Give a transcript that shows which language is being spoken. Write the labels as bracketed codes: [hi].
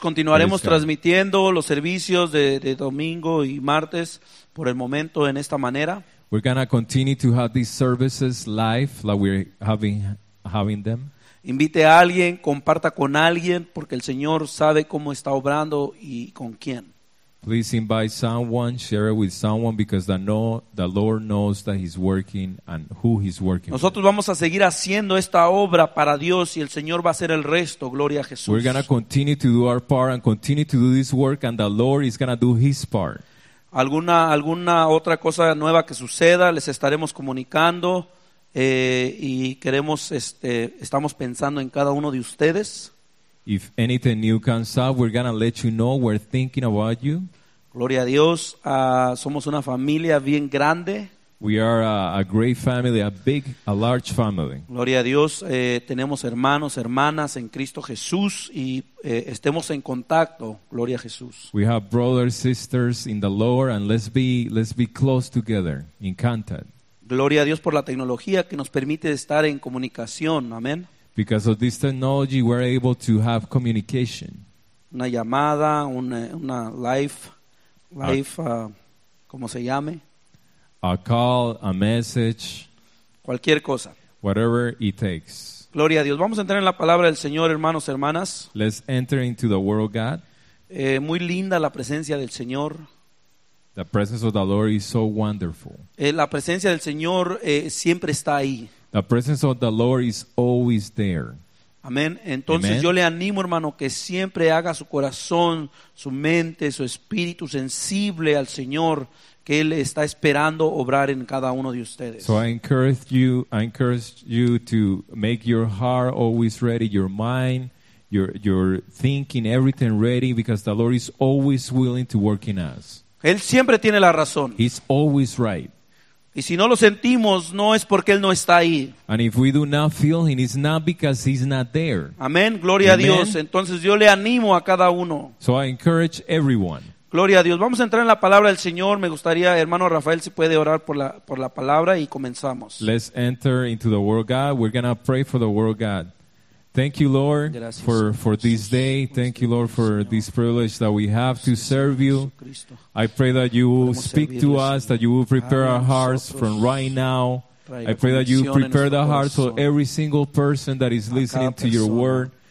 [es] Continuaremos transmitiendo los servicios de domingo y martes por el momento en esta manera. [en] We're gonna continue to have these services live like we're having them. [es] Invite a alguien, comparta con alguien, porque el Señor sabe cómo está obrando y con quién. [en] Please invite someone, share it with someone, because the Lord knows that he's working and who he's working with. [es] Nosotros vamos a seguir haciendo esta obra para Dios y el Señor va a hacer el resto. Gloria a Jesús. [en] We're going to continue to do our part and continue to do this work and the Lord is going to do his part. [es] Alguna otra cosa nueva que suceda, les estaremos comunicando y queremos, estamos pensando en cada uno de ustedes. [en] If anything new comes up, we're going to let you know. We're thinking about you. [es] Gloria a Dios. Somos una familia bien grande. [en] We are a great family, a large family. [es] Gloria a Dios. Tenemos hermanos, hermanas en Cristo Jesús y estemos en contacto. Gloria a Jesús. [en] We have brothers, sisters in the Lord and let's be close together, in contact. [es] Gloria a Dios por la tecnología que nos permite estar en comunicación. Amén. [en] Because of this technology, we're able to have communication. [es] Una llamada, una live, como se llame. [en] A call, a message. [es] Cualquier cosa. [en] Whatever it takes. [es] Gloria a Dios. Vamos a entrar en la palabra del Señor, hermanos, hermanas. [en] Let's enter into the word of God. [es] Muy linda la presencia del Señor. [en] The presence of the Lord is so wonderful. [es] La presencia del Señor siempre está ahí. [en] The presence of the Lord is always there. [es] Amén. Entonces, Amen. Yo le animo, hermano, que siempre haga su corazón, su mente, su espíritu sensible al Señor, que Él está esperando obrar en cada uno de ustedes. [en] So I encourage you to make your heart always ready, your mind, your thinking, everything ready, because the Lord is always willing to work in us. [es] Él siempre tiene la razón. [en] He's always right. [es] Y si no lo sentimos, no es porque Él no está ahí. [en] And if we do not feel Him, it's not because He's not there. [es] Amén. Gloria Amen. A Dios. Entonces yo le animo a cada uno. [en] So I encourage everyone. [es] Gloria a Dios. Vamos a entrar en la palabra del Señor. Me gustaría, hermano Rafael, si puede orar por la palabra y comenzamos. [en] Let's enter into the Word of God. We're going to pray for the Word of God. Thank you, Lord, for this day. Thank you, Lord, for this privilege that we have to serve you. I pray that you will speak to us, that you will prepare our hearts from right now. I pray that you prepare the hearts of every single person that is listening to your word.